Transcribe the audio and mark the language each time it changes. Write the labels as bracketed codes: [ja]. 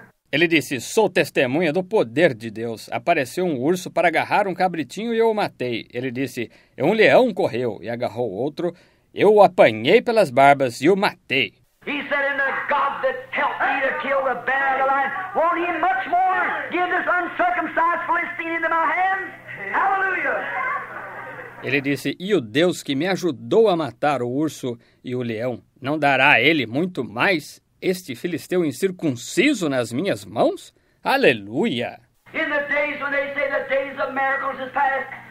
[pt] Ele disse, sou testemunha do poder de Deus. Apareceu um urso para agarrar um cabritinho e eu o matei. Ele disse, um leão correu e agarrou outro. Eu o apanhei pelas barbas e o matei. [en] He said, in the God that helped me to kill the bear of the lion, won't he much more give this uncircumcised Philistine into my hands? Hallelujah! [pt] Ele disse, e o Deus que me ajudou a matar o urso e o leão, não dará a ele muito mais este filisteu incircunciso nas minhas mãos? Aleluia! [en] In the days when they say the days of miracles is past,